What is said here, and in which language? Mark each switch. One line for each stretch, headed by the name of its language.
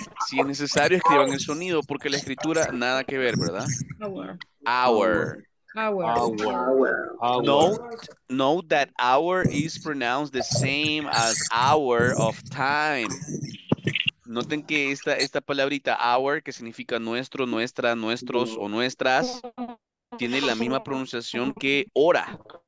Spanish: Si es necesario, escriban el sonido, porque la escritura, nada que ver, ¿verdad?
English: Our. Note that our is pronounced the same as hour of time.
Spanish: Noten que esta palabrita hour, que significa nuestro, nuestra, nuestros o nuestras, tiene la misma pronunciación que hora.